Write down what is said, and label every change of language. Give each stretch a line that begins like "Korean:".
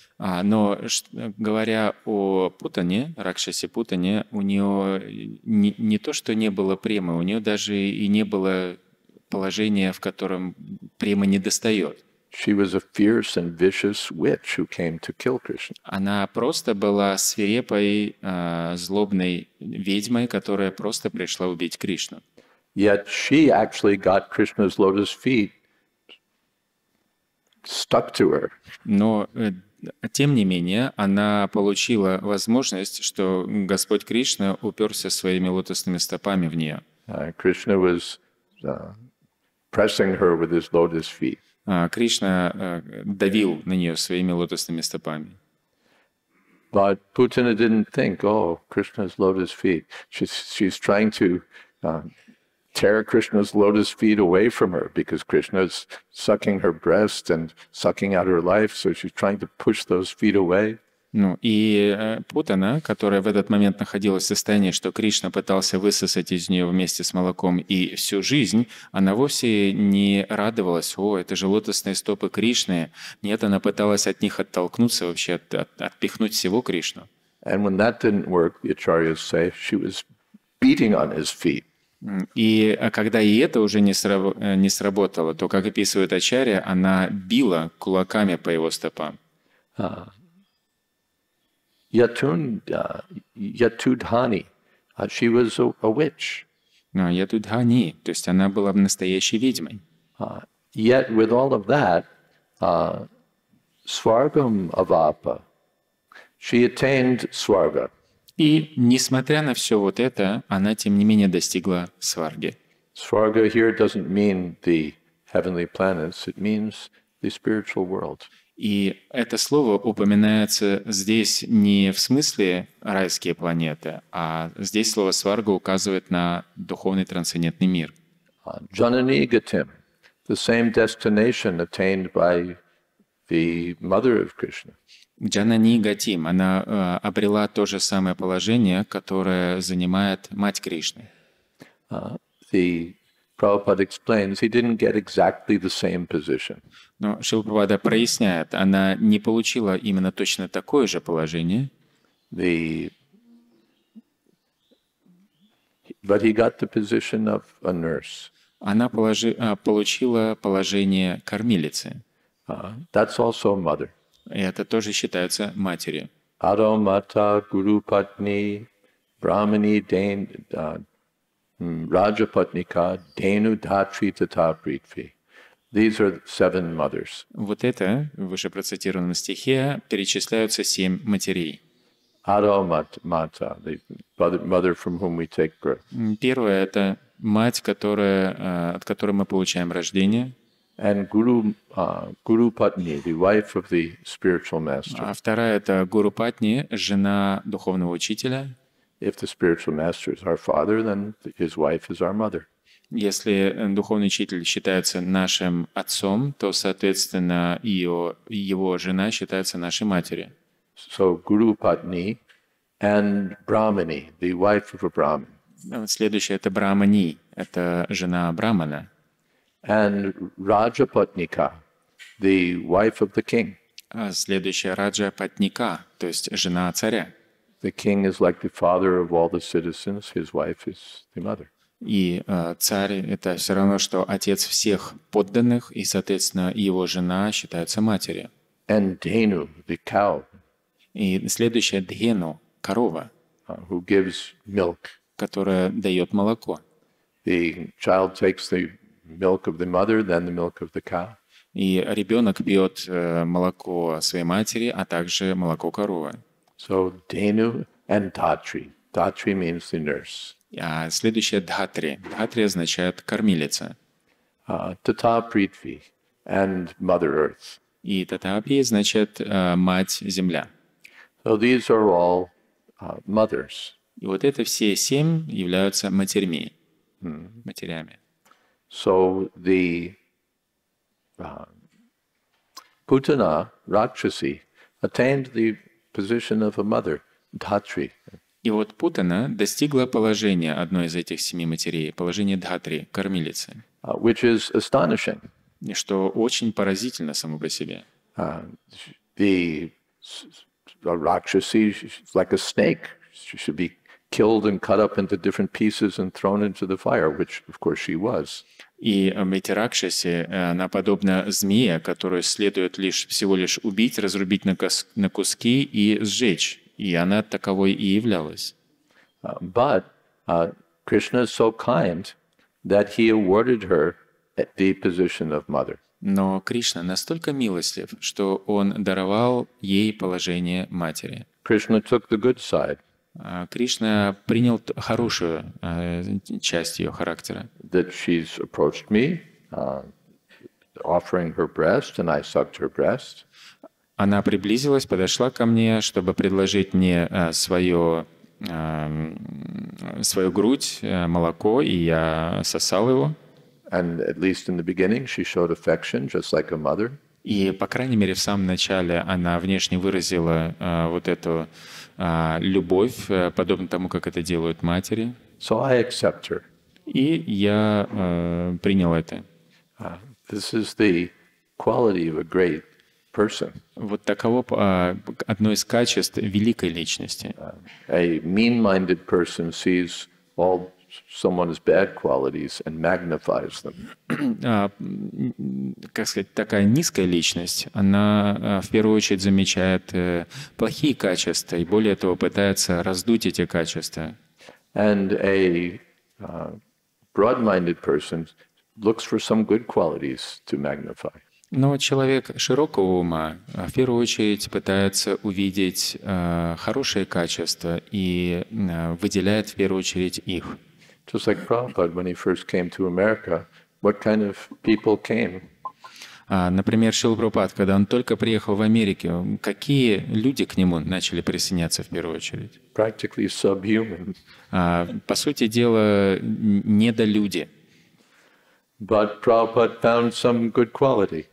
Russian: Но говоря о Путане, Ракшасе Путане, у нее не то, что не было премы, у нее даже и не было положения, в котором према не достает.
English: She was a fierce and vicious witch who came to kill Krishna.
Russian: Она просто была свирепой, злобной ведьмой, которая просто пришла убить Кришну.
English: Yet she actually got Krishna's lotus feet stuck to her.
Russian: Но тем не менее, она получила возможность, что Господь Кришна уперся своими лотосными стопами в нее.
English: Krishna was pressing her with his lotus feet.
Russian: Кришна давил на нее своими лотосными стопами.
English: But Putana didn't think, oh, Krishna's lotus feet. She's trying to tear Krishna's lotus feet away from her, because Krishna's sucking her breast and sucking out her life, so she's trying to push those feet away.
Russian: Ну, и Путана, которая в этот момент находилась в состоянии, что Кришна пытался высосать из нее вместе с молоком и всю жизнь, она вовсе не радовалась. О, это же лотосные стопы Кришны. Нет, она пыталась от них оттолкнуться вообще, отпихнуть всего Кришну.
English: And when that didn't work, the acharyas say, she was beating on his feet.
Russian: И когда и это уже не сработало, то, как описывает ачарья, она била кулаками по его стопам.
English: Yatudhani, she was a witch.
Russian: No, Yatudhani, то есть она была настоящей ведьмой.
English: Yet with all of that,
Sanskrit: Swargam Avapa,
English: she attained Swarga.
Russian: И несмотря на все вот это, она тем не менее достигла Сварги.
English: Swarga here doesn't mean the heavenly planets, it means the spiritual world.
Russian: И это слово упоминается здесь не в смысле райские планеты, а здесь слово сварга указывает на духовный трансцендентный мир.
Sanskrit: Janani Gatim,
English: the same destination attained by the mother of Krishna.
Sanskrit: Janani Gatim,
Russian: она обрела то же самое положение, которое занимает мать Кришны.
English: Prabhupada explains he didn't get exactly the same position.
Russian: Но Шрила Прабхупада проясняет, она не получила именно точно такое же положение.
English: But he got the position of a nurse.
Russian: Она получила положение кормилицы.
English: That's also mother.
Russian: И это тоже считается матерью.
Sanskrit: Adho Mata Guru Patni Brahmani Dain Rajapatnika, Dhenu Dhatri Tata Pritvi.
English: These are seven mothers.
Russian: Вот это в вышепроцитированном стихе перечисляются семь матерей.
English: Adho Mata, the mother from whom we take birth.
Russian: Первое — это мать, которая, от которой мы получаем рождение.
English: And Guru Patni, the wife of the spiritual master.
Russian: А вторая — это Guru Patni, жена духовного учителя.
English: If the spiritual master is our father, then his wife is our mother.
Russian: Если духовный учитель считается нашим отцом, то, соответственно, его жена считается нашей матерью.
English: So Guru Patni and Brahmani, the wife of a Brahmin.
Russian: Следующее — это Брахмани, это жена Брахмана.
English: And Rajapatnika, the wife of the king.
Russian: А следующее — Раджапатника, то есть жена царя.
English: The king is like the father of all the citizens, his wife is the mother.
Russian: И царь — это все равно, что отец всех подданных, и, соответственно, его жена считается матерью.
English: And Dhenu, the cow.
Russian: И следующая — Dhenu, корова.
English: Who gives milk.
Russian: Которая дает молоко.
English: The child takes the milk of the mother, then the milk of the cow.
Russian: И ребенок пьет молоко своей матери, а также молоко коровы.
English: So Dhenu and Dhatri. Dhatri means the nurse.
Russian: Следующее — Dhatri. Dhatri означает кормилица.
English: Tata Prithvi and Mother Earth.
Russian: И Татапи означает мать земля.
English: So these are all mothers.
Russian: И вот это все семь являются матерьми. Матерями.
English: So the Putana, Rakshasi, attained the position of a mother, Dhatri.
Russian: И вот Путана достигла положения одной из этих семи матерей, положения Дхатри, кормилицы.
English: Which is astonishing.
Russian: Что очень поразительно само по себе.
English: The Rakshasi, like a snake, should be killed and cut up into different pieces and thrown into the fire, which, of course, she was.
Russian: И Мэти Ракшаси, она подобна змее, которую следует лишь всего лишь убить, разрубить на куски и сжечь. И она таковой и являлась.
English: But Krishna is so kind that he awarded her the position of mother.
Russian: Но Кришна настолько милостив, что он даровал ей положение матери.
English: Krishna took the good side.
Russian: Кришна принял хорошую часть ее характера.
English: That she's approached me, offering her breast, and I sucked her breast.
Russian: Она приблизилась, подошла ко мне, чтобы предложить мне свою грудь, молоко, и я сосал его.
English: And at least in the beginning, she showed affection, just like a mother.
Russian: И, по крайней мере, в самом начале она внешне выразила вот эту любовь, подобно тому, как это делают матери.
English: So I accept her.
Russian: И я принял это.
English: This is the quality of a great person.
Russian: Вот таково одно из качеств великой личности.
English: A mean-minded person sees all someone's bad qualities and magnifies them.
Russian: Как сказать, такая низкая личность, она в первую очередь замечает плохие качества и более того пытается раздуть эти качества.
English: And a broad-minded person looks for some good qualities to magnify.
Russian: Но человек широкого ума в первую очередь пытается увидеть хорошие качества и выделяет в первую очередь их.
English: Just like Prabhupada, when he first came to America, what kind of people came?
Russian: Например, Шрила Прабхупада, когда он только приехал в Америку, какие люди к нему начали присоединяться в первую очередь?
English: Practically subhuman.
Russian: По сути дела, недолюди.
English: But Prabhupada found some good quality.